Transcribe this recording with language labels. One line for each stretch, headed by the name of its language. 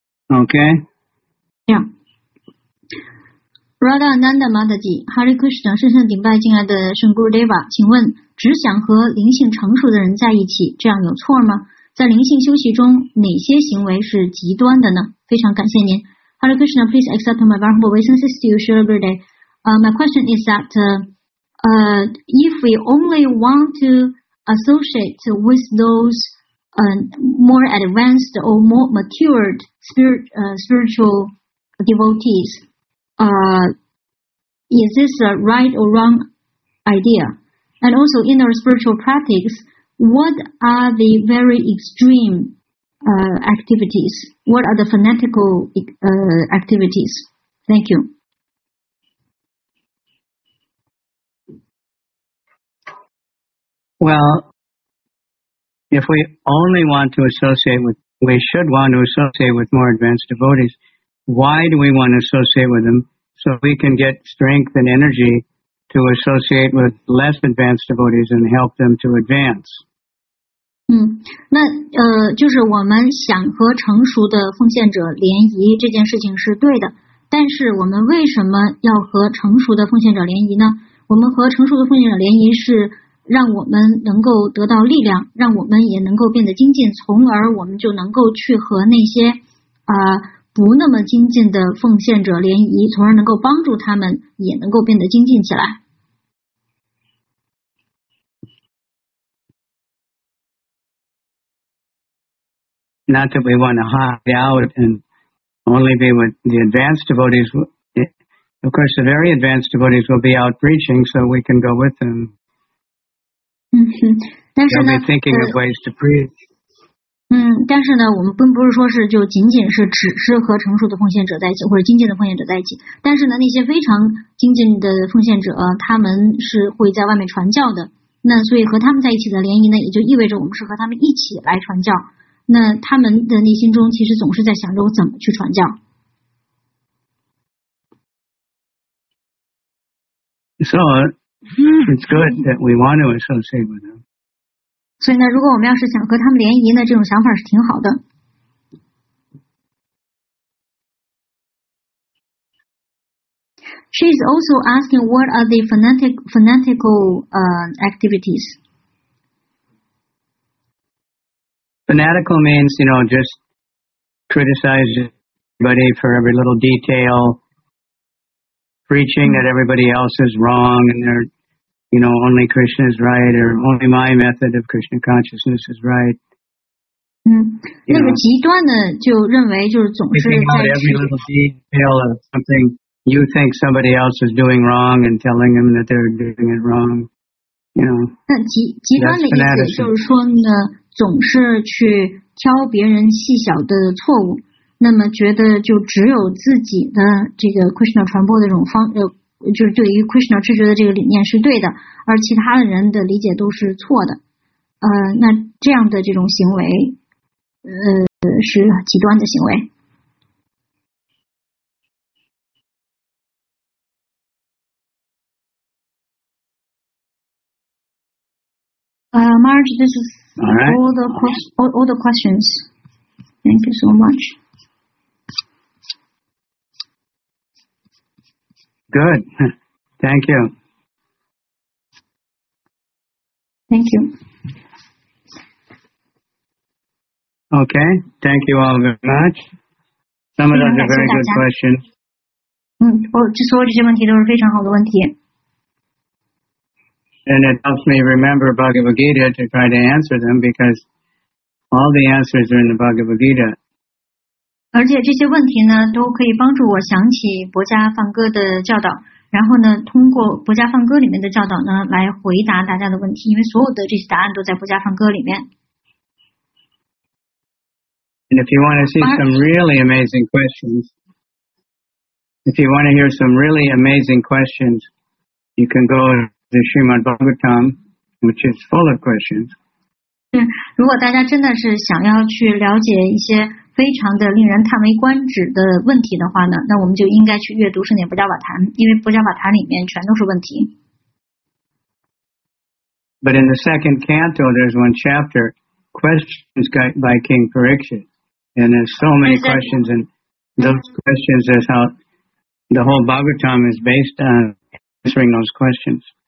English: Okay.
Chinese: Yeah. Radha Nanda Madhaji, Hare Krishna, 深深顶拜进来的圣 Gurudeva， 请问。只想和灵性成熟的人在一起，这样有错吗？在灵性修习中，哪些行为是极端的呢？非常感谢您。
English: Hello, Krishna. Please accept my humble obeisances to you, Shri Gurudev. My question is that, if we only want to associate with those, more advanced or more matured spiritual devotees, is this a right or wrong idea? And also in our spiritual practice, what are the very extreme activities? What are the fanatical activities? Thank you. Well, if we only want to associate with, we should want to associate with more advanced devotees, why do we want to associate with them? So we can get strength and energy to associate with less advanced devotees and help them to advance.
Chinese: 嗯，那就是我们想和成熟的奉献者联谊，这件事情是对的。但是我们为什么要和成熟的奉献者联谊呢？我们和成熟的奉献者联谊是让我们能够得到力量，让我们也能够变得精进，从而我们就能够去和那些不那么精进的奉献者联谊，从而能够帮助他们也能够变得精进起来。
English: Not that we want to hide out and only be with the advanced devotees. Of course, the very advanced devotees will be out preaching, so we can go with them. They'll be thinking of ways to preach.
Chinese: 但是呢，我们并不是说是就仅仅是只是和成熟的奉献者在一起，或者精进的奉献者在一起。但是呢，那些非常精进的奉献者，他们是会在外面传教的。那所以和他们在一起的联谊呢，也就意味着我们是和他们一起来传教。那他们的内心中其实总是在想着我怎么去传教。
English: So it's good that we want to associate with them.
Chinese: 所以呢，如果我们要是想和他们联谊呢，这种想法是挺好的。
English: She is also asking what are the fanatical activities. Fanatical means, you know, just criticize everybody for every little detail, preaching that everybody else is wrong and they're, you know, only Krishna is right or only my method of Krishna consciousness is right.
Chinese: 那个极端的就认为就是总是在
English: every little detail of something you think somebody else is doing wrong and telling them that they're doing it wrong, you know.
Chinese: 极端的意思就是说呢总是去挑别人细小的错误，那么觉得就只有自己的这个 Krishna 传播的这种方，就是对于 Krishna 智觉的这个理念是对的，而其他的人的理解都是错的。那这样的这种行为，是极端的行为。
English: Marge, this is all the questions. Thank you so much. Good. Thank you. Thank you. Okay. Thank you all very much. Some of those are very good questions.
Chinese: 就所有这些问题都是非常好的问题。
English: And it helps me remember Bhagavad Gita to try to answer them because all the answers are in the Bhagavad Gita.
Chinese: 而且这些问题呢都可以帮助我想起薄伽梵歌的教导，然后呢通过薄伽梵歌里面的教导呢来回答大家的问题，因为所有的这些答案都在薄伽梵歌里面。
English: And if you want to see some really amazing questions, if you want to hear some really amazing questions, you can go. The Srimad Bhagavatam, which is full of questions.
Chinese: 如果大家真的是想要去了解一些非常的令人叹为观止的问题的话呢，那我们就应该去阅读圣典薄伽瓦坛，因为薄伽瓦坛里面全都是问题。
English: But in the second canto, there's one chapter, questions by King Parikshit, and there's so many questions, and those questions is how the whole Bhagavatam is based on answering those questions.